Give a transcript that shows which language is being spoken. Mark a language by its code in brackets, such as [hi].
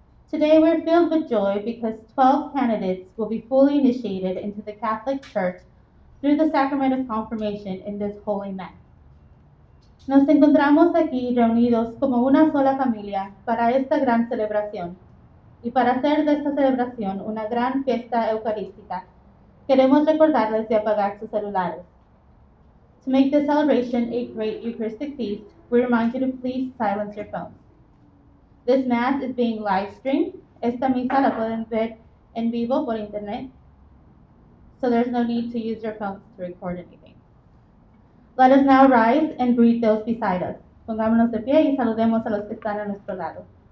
[en] Today we're filled with joy because 12 candidates will be fully initiated into the Catholic Church through the sacrament of confirmation in this holy mass. [es] Nos encontramos aquí reunidos como una sola familia para esta gran celebración. Y para hacer de esta celebración una gran fiesta eucarística, queremos recordarles de apagar sus celulares. [en] To make this celebration a great Eucharistic feast, we remind you to please silence your phones. This Mass is being live streamed. [es] Esta misa la pueden ver en vivo por internet. [en] So there's no need to use your phones to record anything. Let us now rise and greet those beside us. [es] Pongámonos de pie y saludemos a los que están a nuestro lado.